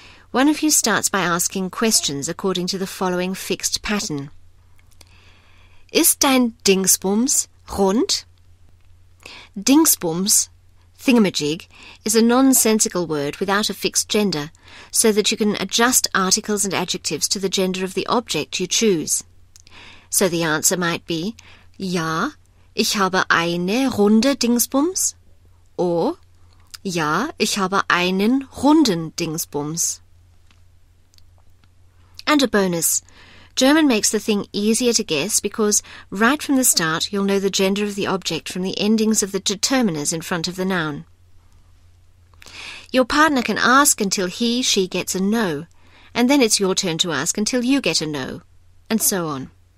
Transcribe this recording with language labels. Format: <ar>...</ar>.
<en>One of you starts by asking questions according to the following fixed pattern.</en> <de>Ist dein Dingsbums rund?</de> <en>Dingsbums, thingamajig, is a nonsensical word without a fixed gender, so that you can adjust articles and adjectives to the gender of the object you choose. So the answer might be,</en> <de>Ja, ich habe eine runde Dingsbums. Or, Ja, ich habe einen runden Dingsbums.</de> <en>And a bonus. German makes the thing easier to guess because right from the start you'll know the gender of the object from the endings of the determiners in front of the noun. Your partner can ask until he, she gets a no, and then it's your turn to ask until you get a no, and so on.</en>